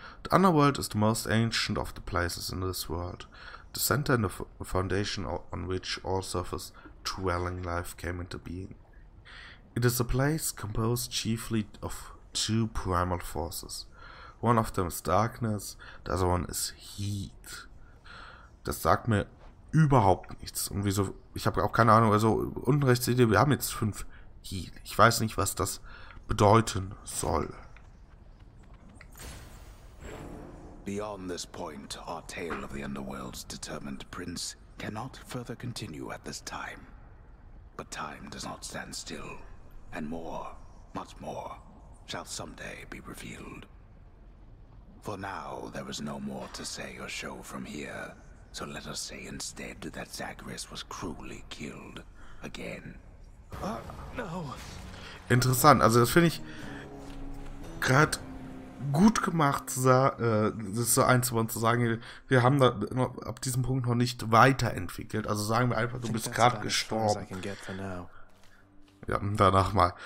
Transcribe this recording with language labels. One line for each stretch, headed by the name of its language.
English: The underworld is the most ancient of the places in this world. The center and the foundation on which all surface dwelling life came into being. It is a place composed chiefly of two primal forces. One of them is darkness, the other one is heat.
German: Das sagt mir überhaupt nichts. Und wieso? Ich habe auch keine Ahnung. Also unten rechts seht ihr, wir haben jetzt 5 Heat. Ich weiß nicht, was das bedeuten soll.
English: Beyond this point, our tale of the underworld's determined prince cannot further continue at this time. But time does not stand still, and more, much more, shall someday be revealed. For now, there is no more to say or show from here, so let us say instead that Zagreus was cruelly killed again. No.
German: Interessant, also das finde ich gerade gut gemacht, das ist so einzubauen, zu sagen, wir haben da ab diesem Punkt noch nicht weiterentwickelt. Also sagen wir einfach, du bist gerade gestorben. Ja, danach mal.